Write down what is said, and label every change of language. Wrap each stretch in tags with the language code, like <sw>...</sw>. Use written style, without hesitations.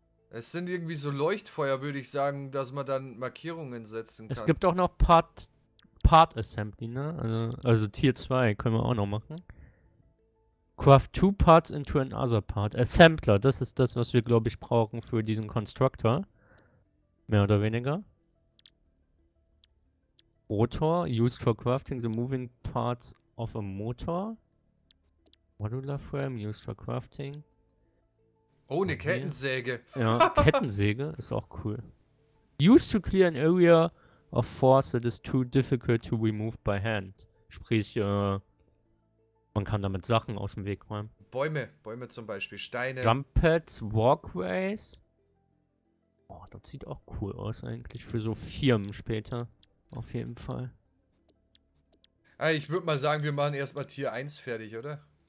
<de>Es sind irgendwie so Leuchtfeuer, würde ich sagen, dass man dann Markierungen setzen kann. Es gibt auch noch Part Assembly, ne? Also Tier 2 können wir auch noch machen.</de> <en>Craft two parts into another part.</en> <de>Assembler, das ist das, was wir, glaube ich, brauchen für diesen Constructor. Mehr oder weniger.</de> <en>Rotor, used for crafting the moving parts of a motor. Modular Frame, used for crafting.</en> <de>Oh, eine Kettensäge. Ja, Kettensäge ist auch cool.</de> <en>Used to clear an area of force that is too difficult to remove by hand.</en> <de>Sprich, man kann damit Sachen aus dem Weg räumen. Bäume zum Beispiel, Steine.</de> <en>Jump Pads, Walkways.</en> <de>Oh, das sieht auch cool aus eigentlich für so Firmen später. Auf jeden Fall. Ich würde mal sagen, wir machen erstmal Tier 1 fertig, oder?</de>